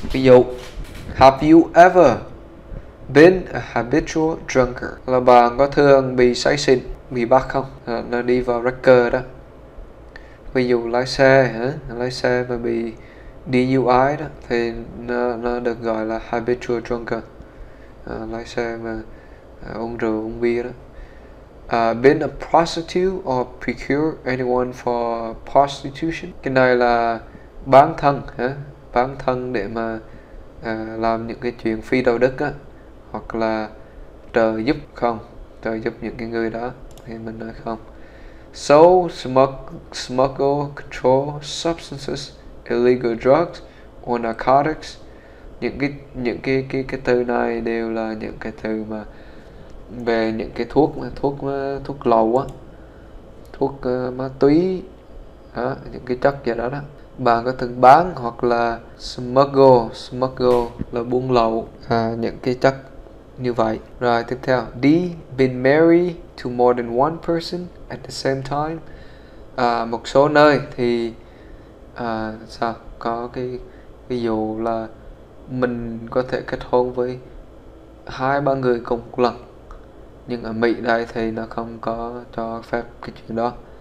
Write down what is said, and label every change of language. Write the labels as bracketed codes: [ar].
[vi] Ví dụ, [en] have you ever been a habitual drunker? [vi] Là bạn có thường bị say xỉn, bị bắt không? Nó đi vào record đó. Ví dụ lái xe hả? Lái xe mà bị DUI đó thì nó được gọi là [en] habitual drunker. [vi] Lái xe mà uống rượu uống bia đó. [en] Been a prostitute or procure anyone for prostitution? [vi] Cái này là bán thân hả? Bán thân để mà làm những cái chuyện phi đạo đức á, hoặc là trợ giúp không, trợ giúp những cái người đó thì mình nói không. [en] So smuggle control substances, illegal drugs or narcotics. [vi] Những cái từ này đều là những cái từ mà về những cái thuốc lậu á, thuốc ma túy á, những cái chất gì đó. Bạn có từng bán hoặc là smuggle là buôn lậu những cái chất như vậy. Rồi tiếp theo, [en] D, been married to more than one person at the same time. [vi] Một số nơi thì sao có cái ví dụ là mình có thể kết hôn với 2-3 người cùng một lần, nhưng ở Mỹ đây thì nó không có cho phép cái chuyện đó.